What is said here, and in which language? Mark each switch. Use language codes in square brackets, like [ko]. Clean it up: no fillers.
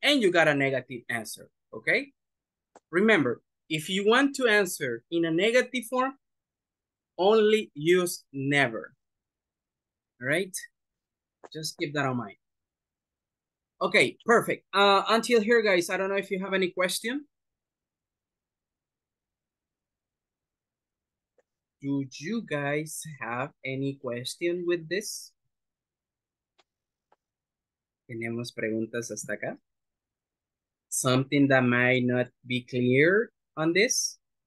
[en] And you got a negative answer, okay? Remember, if you want to answer in a negative form, only use never. All right? Just keep that in mind. Okay, perfect. Until here, guys, I don't know if you have any question. Do you guys have any question with this? [es] ¿Tenemos preguntas hasta acá? [en] Something that might not be clear on this?